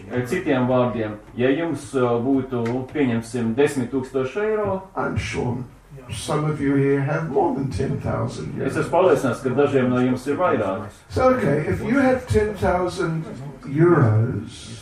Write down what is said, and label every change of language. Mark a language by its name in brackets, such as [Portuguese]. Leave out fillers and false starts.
[Latvian] Citiem vārdiem, ja jums būtu, pieņemsim, 10,000 eiro, [English] I'm sure some of you here have more than 10,000 euros. [Latvian] Es esmu pārliecināts, ka dažiem no jums ir vairāk. [English] So, okay, if you have 10,000 euros,